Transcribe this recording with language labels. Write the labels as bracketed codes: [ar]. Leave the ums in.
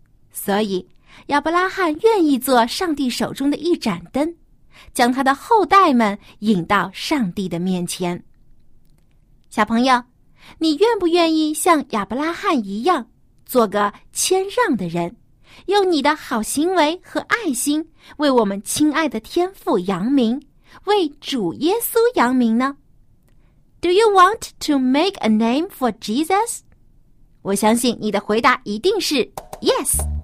[zh] 所以，亚伯拉罕愿意做上帝手中的一盏灯，将他的后代们引到上帝的面前。小朋友，你愿不愿意像亚伯拉罕一样，做个谦让的人，用你的好行为和爱心为我们亲爱的天父扬名？为主耶稣扬名呢？ [en] Do you want to make a name for Jesus？ [zh] 我相信你的回答一定是 Yes。